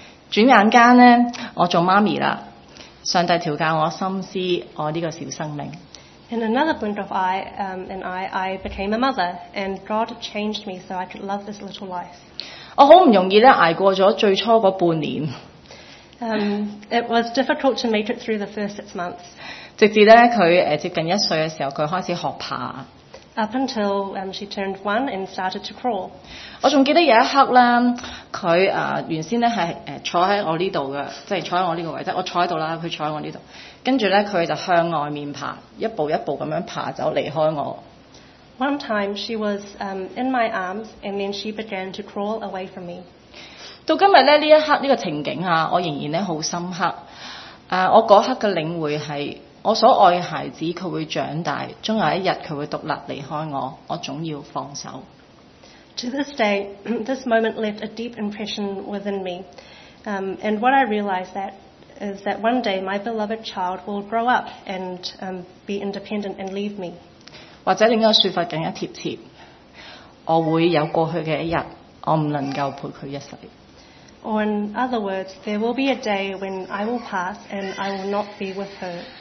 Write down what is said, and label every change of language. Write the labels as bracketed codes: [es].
[yue] 转眼间呢，我做妈咪啦，上帝调教我心思，我呢个小生命。 [en] In another blink of an eye, I became a mother, and God changed me so I could love this little life. [yue] 我好唔容易咧挨过咗最初嗰半年。 [en] It was difficult to make it through the first 6 months. [yue] 直至咧佢接近一岁嘅时候，佢开始学爬。 [en] Up until she turned one and started to crawl. [yue] 我仲记得有一刻咧，佢原先咧系坐喺我呢度嘅，即系坐喺我呢个位置，即我坐喺度啦，佢坐喺我呢度。跟住咧，佢就向外面爬，一步一步咁样爬走离开我。 [en] One time she was in my arms and then she began to crawl away from me. [yue] 到今日咧呢一刻呢个情景啊，我仍然咧好深刻。我嗰刻嘅领会系。我所爱嘅孩子，佢会长大，终有一日佢会独立离开我，我总要放手。 [en] To this day, this moment left a deep impression within me. And what I realized that is that one day my beloved child will grow up and be independent and leave me. [yue] 或者另一个说法更加贴切，我会有过去嘅一日，我唔能够陪佢一世。 [en] Or in other words, there will be a day when I will pass and I will not be with her.